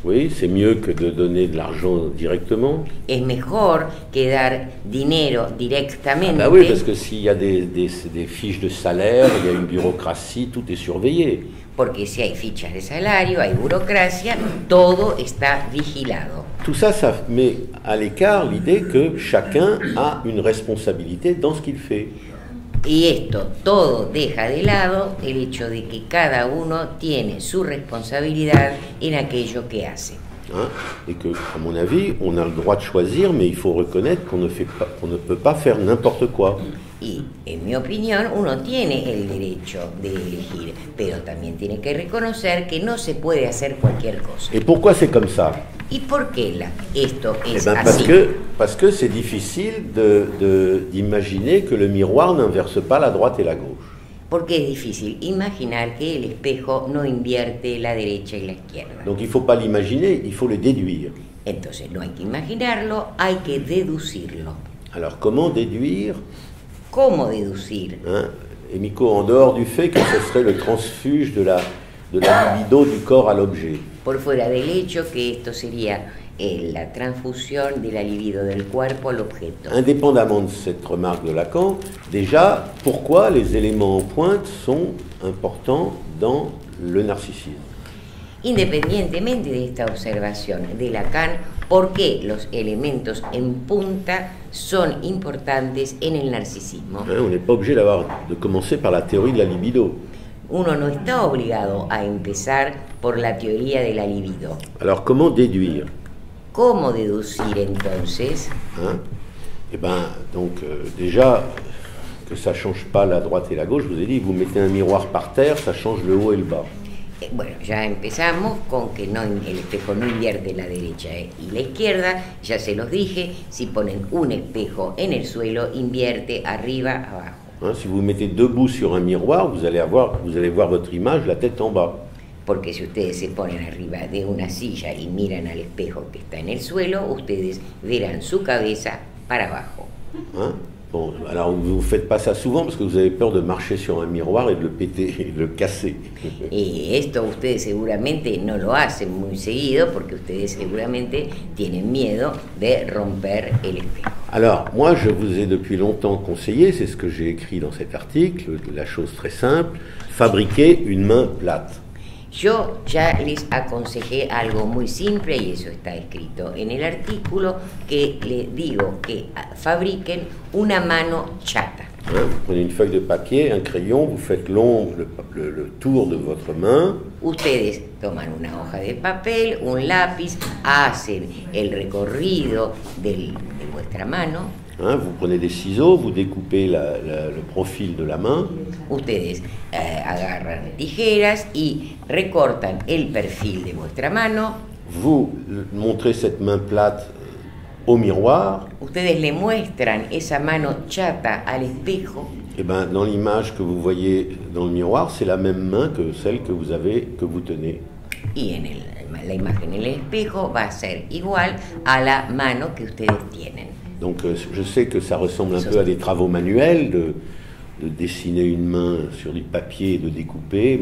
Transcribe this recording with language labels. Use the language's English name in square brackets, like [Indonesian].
[French] Oui, c'est mieux que de donner de l'argent directement. [Spanish] Es mejor que dar dinero directamente. [French] Ah bah oui, parce que s'il y a des fiches de salaire, il y a une bureaucratie, tout est surveillé. [Spanish] Porque si hay fichas de salario, hay burocracia, todo está vigilado. [French] Tout ça, ça met à l'écart l'idée que chacun a une responsabilité dans ce qu'il fait. [Spanish] Y esto todo deja de lado el hecho de que cada uno tiene su responsabilidad en aquello que hace. Hein? [French] Et que, à mon avis, on a le droit de choisir, mais il faut reconnaître qu'on ne peut pas faire n'importe quoi. [Spanish] Y, en mi opinión, uno tiene el derecho de elegir, pero también tiene que reconocer que no se puede hacer cualquier cosa. [French] Et pourquoi c'est comme ça? [Spanish] ¿Y por qué esto es así? [French] Parce que c'est difficile d'imaginer que le miroir n'inverse pas la droite et la gauche. [Spanish] Porque es difícil imaginar que el espejo no invierte la derecha y la izquierda. [French] Donc il faut pas l'imaginer, il faut le déduire. [Spanish] Entonces no hay que imaginarlo, hay que deducirlo. [French] Alors comment déduire? [Spanish] ¿Cómo deducir? Hein? [French] Et Miko, en dehors du fait que ce serait le transfuge de la libido du corps à l'objet. [Spanish] Por fuera del hecho que esto sería la transfusión de la libido del cuerpo al objeto. [French] Indépendamment de cette remarque de Lacan, déjà, pourquoi les éléments en pointe sont importants dans le narcisisme? [Spanish] Independientemente de esta observación de Lacan, ¿por qué los elementos en punta son importantes en el narcisismo? [French] On n'est pas obligé d'avoir de commencer par la théorie de la libido. [Spanish] Uno no está obligado a empezar por la teoría de la libido. [French] Alors comment déduire? [Spanish] ¿Cómo deducir entonces? [French] Hein? Eh ben, donc déjà que ça ne change pas la droite et la gauche. Je vous ai dit, vous mettez un miroir par terre, ça change le haut et le bas. [Spanish] Bueno, ya empezamos con que no, el espejo no invierte la derecha y la izquierda. Ya se los dije, si ponen un espejo en el suelo, invierte arriba, abajo. [French] Hein, si vous mettez debout sur un miroir, vous allez voir votre image, la tête en bas. [Spanish] Porque si ustedes se ponen arriba de una silla y miran al espejo que está en el suelo, ustedes verán su cabeza para abajo. Hein? [French] Bon, alors vous ne faites pas ça souvent parce que vous avez peur de marcher sur un miroir et de le péter, et de le casser. [Spanish] Et esto ustedes seguramente no lo hacen muy seguido porque ustedes seguramente tienen miedo de romper el espejo. [French] Alors, moi je vous ai depuis longtemps conseillé, c'est ce que j'ai écrit dans cet article, la chose très simple, fabriquer une main plate. [Spanish] Yo ya les aconsejé algo muy simple y eso está escrito en el artículo, que le digo que fabriquen una mano chata. [French] Hein, vous prenez une feuille de papier, un crayon, vous faites l'ombre, le tour de votre main. [Spanish] Ustedes toman una hoja de papel, un lápiz, hacen el recorrido de vuestra mano. [French] Hein, vous prenez des ciseaux, vous découpez le profil de la main. [Spanish] Ustedes agarran tijeras y recortan el perfil de vuestra mano. [French] Vous montrez cette main plate au miroir. [Spanish] Ustedes le muestran esa mano chata al espejo. [French] Et ben, dans l'image que vous voyez dans le miroir, c'est la même main que celle que vous avez, que vous tenez. [Spanish] Y en la imagen en el espejo va a ser igual a la mano que ustedes tienen. [French] Donc je sais que ça ressemble un peu à des travaux manuels, de dessiner une main sur du papier et de découper.